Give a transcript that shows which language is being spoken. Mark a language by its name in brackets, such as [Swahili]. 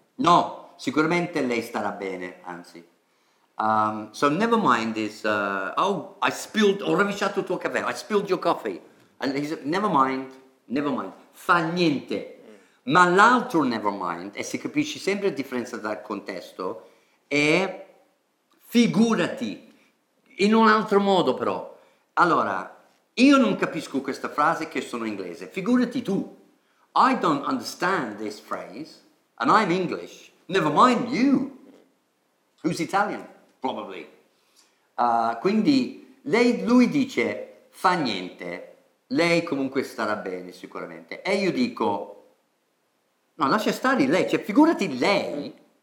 [Italian] No, sicuramente lei starà bene, anzi. [English] So never mind is, [Italian] ho rovesciato il tuo caffè, [English] I spilled your coffee. And he said, never mind, [Italian] fa niente. Ma l'altro never mind, e si capisce sempre la differenza dal contesto, è figurati, in un altro modo però. Allora, io non capisco questa frase che sono inglese. Figurati tu. [English] I don't understand this phrase, and I'm English. Never mind you, who's Italian, probably. [Italian] Quindi lei, lui dice, fa niente, lei comunque starà bene sicuramente. E io dico, no, lascia stare lei, cioè figurati lei.